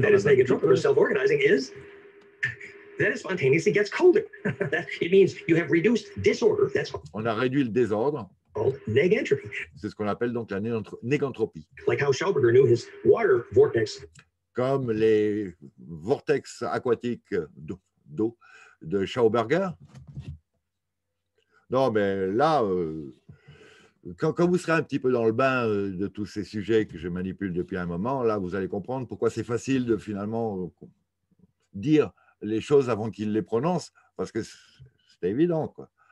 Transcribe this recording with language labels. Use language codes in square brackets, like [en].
[en] That is negative or self-organizing is that it spontaneously gets colder. It means you have reduced disorder, that's called. [fr] On a réduit le désordre. [en] Negentropy. [fr] C'est ce qu'on appelle donc la négentropie. [en] Like how Schauberger knew his water vortex. [fr] Comme les vortex aquatiques d'eau de Schauberger. Non, mais là, quand vous serez un petit peu dans le bain de tous ces sujets que je manipule depuis un moment, là, vous allez comprendre pourquoi c'est facile de finalement dire les choses avant qu'ils les prononcent, parce que c'est évident, quoi.